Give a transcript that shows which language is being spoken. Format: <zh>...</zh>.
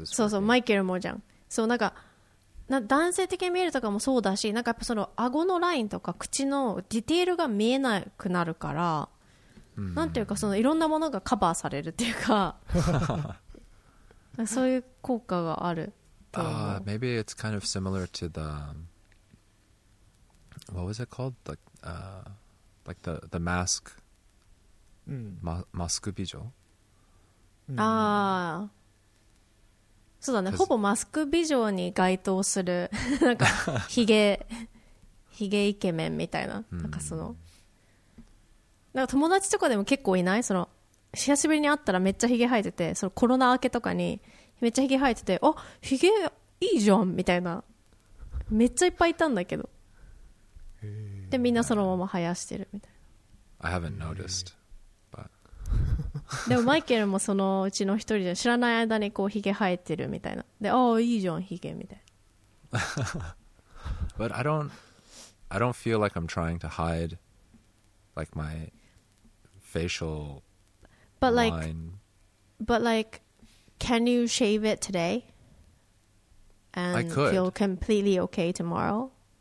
<ja>そうそうマイケルもじゃん、そうなんかな男性的に見えるとかもそうだし、なんかやっぱその顎のラインとか口のディテールが見えなくなるから、うん、なんていうかそのいろんなものがカバーされるっていうかそういう効果がある。</ja> <en>Maybe it's kind of similar to the what was it called? The, like the mask、</en> <ja>うん、マスク美女、うん、ああそうだね、ほぼマスク美女に該当するなんかヒゲヒゲイケメンみたいな、なんかその、うん、なんか友達とかでも結構いない、その久しぶりに会ったらめっちゃヒゲ生えてて、そのコロナ明けとかにめっちゃヒゲ生えてて、あヒゲいいじゃんみたいな、めっちゃいっぱいいたんだけど、でみんなそのまま生やしてるみたいな。</ja> <en>I haven't noticed but</en> <ja>でもマイケルもそのうちの一人じゃ、知らない間にこうヒゲ生えてるみたいな、でああいいじゃんヒゲみたいな。</ja> <en>But I don't feel like I'm trying to hide like my facial but line. But like can you shave it today and I could. Feel completely okay tomorrow?</en>